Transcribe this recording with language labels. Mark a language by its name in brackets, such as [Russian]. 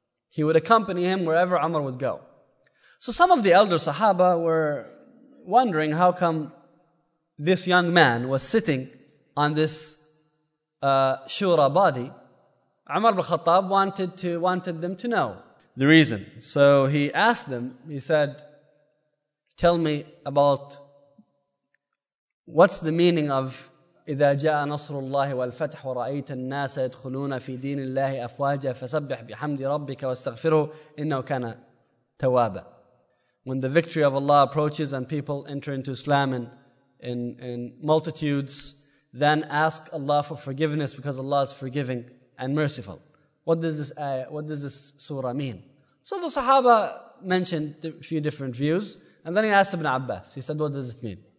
[English] He would accompany him wherever Umar would go. So some of the elder Sahaba were wondering how come this young man was sitting on this shura body. Umar ibn Khattab wanted them to know the reason. So he asked them, he said, tell me about what's the meaning of [Arabic] إِذَا جَاءَ نَصْرُ اللَّهِ وَالْفَتْحُ وَرَأَيْتَ النَّاسَ يَدْخُلُونَ فِي دِينِ اللَّهِ أَفْوَاجًا فَسَبِّحْ بِحَمْدِ رَبِّكَ وَاسْتَغْفِرُهُ إِنَّهُ كَانَ تَوَابًا. [English] When the victory of Allah approaches and people enter into Islam in multitudes, then ask Allah for forgiveness because Allah is forgiving and merciful. What does this ayah, what does this surah mean? So the Sahaba mentioned a few different views, and then he asked Ibn Abbas, he said, what does it mean?